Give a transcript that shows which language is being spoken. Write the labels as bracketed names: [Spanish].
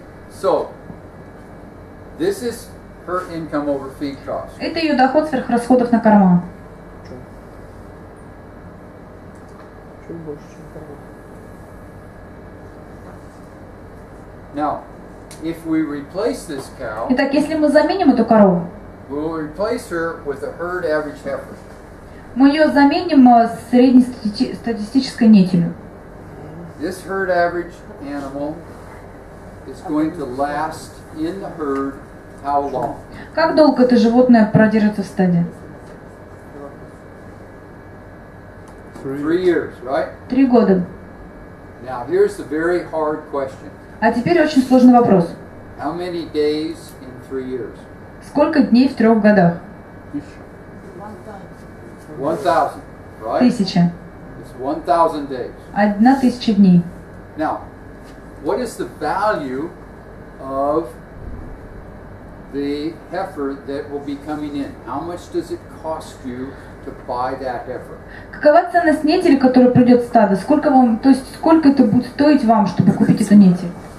[English] So, this is her income over feed costs. [Russian] Это ее доход сверх расходов на корма. Чем больше, чем корма. [English] Now. If we replace this cow, [Russian] итак, если мы заменим эту корову, [English] we'll replace her with a herd average heifer. [Russian] Мы ее заменим среднестатистической нетью. [English] This herd average animal is going to last in the herd how long? [Russian] Как долго это животное продержится в стаде? [English] 3 years, right? [Russian] 3 года. [English] Now here's the very hard question. [Russian] А теперь очень сложный вопрос. [English] How many days in 3 years? [Russian] Сколько дней в 3 годах? [English] 1,000, right? [Russian] 1,000. [English] It's 1,000 days. [Russian] 1,000 дней. [English] Now, what is the value of the heifer that will be coming in? How much does it cost you to buy that heifer? [Russian] Какова ценность нетели, которая придет в стадо? Сколько вам, то есть сколько это будет стоить вам, чтобы купить эту нетель?